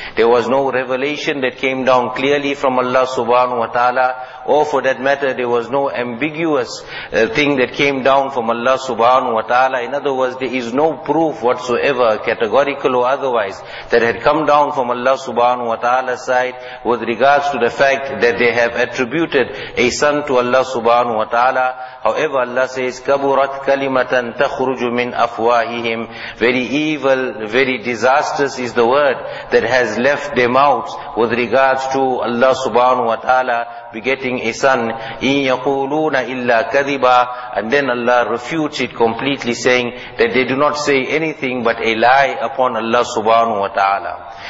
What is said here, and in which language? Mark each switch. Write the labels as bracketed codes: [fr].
[en] There was no revelation that came down clearly from Allah subhanahu wa ta'ala, or for that matter there was no ambiguous thing that came down from Allah subhanahu wa ta'ala. In other words, there is no proof whatsoever, categorical or otherwise, that had come down from Allah subhanahu wa ta'ala's side with regards to the fact that they have attributed a son to Allah subhanahu wa ta'ala. However, Allah says, [ar] كَبُرَتْ كَلِمَةً تَخْرُجُ مِنْ أَفْوَاهِهِمْ. [en] Very evil, very disastrous is the word that has left their mouths with regards to Allah subhanahu wa ta'ala begetting a son. [ar] إِن يَقُولُونَ إِلَّا كَذِبًا. [en] And then Allah refutes it completely, saying that they do not say anything but a lie upon Allah subhanahu wa ta'ala.